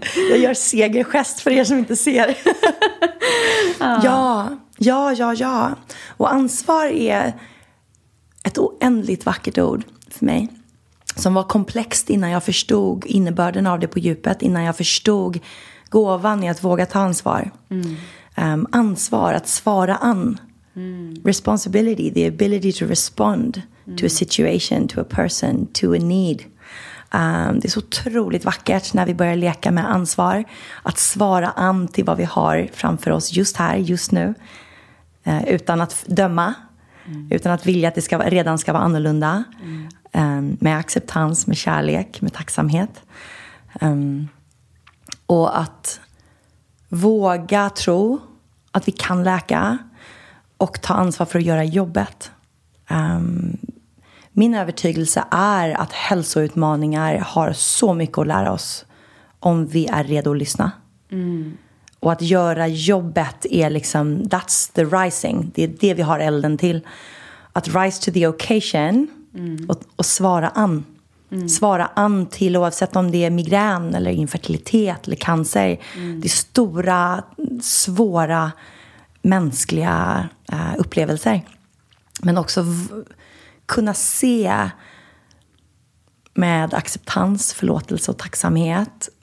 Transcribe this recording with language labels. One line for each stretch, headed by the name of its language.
Swedish: Jag gör segergest för er som inte ser. Ja. Och ansvar är ett oändligt vackert ord för mig. Som var komplext innan jag förstod innebörden av det på djupet. Innan jag förstod gåvan i att våga ta ansvar. Mm. Ansvar, att svara an. Mm.
English: Responsibility, the ability to respond to a situation, to a person, to a need.
Swedish: Det är så otroligt vackert när vi börjar leka med ansvar. Att svara an till vad vi har framför oss just här, just nu. Utan att döma. Utan att vilja att det redan ska vara annorlunda. Med acceptans, med kärlek, med tacksamhet. Och att våga tro att vi kan läka och ta ansvar för att göra jobbet. Min övertygelse är att hälsoutmaningar har så mycket att lära oss om vi är redo att lyssna. Och att göra jobbet är liksom,
English: that's the rising.
Swedish: Det är det vi har elden till. Att
English: rise to the occasion.
Swedish: Och svara an. Svara an till, oavsett om det är migrän eller infertilitet eller cancer. Det är stora, svåra mänskliga upplevelser. Men också kunna se med acceptans, förlåtelse och tacksamhet.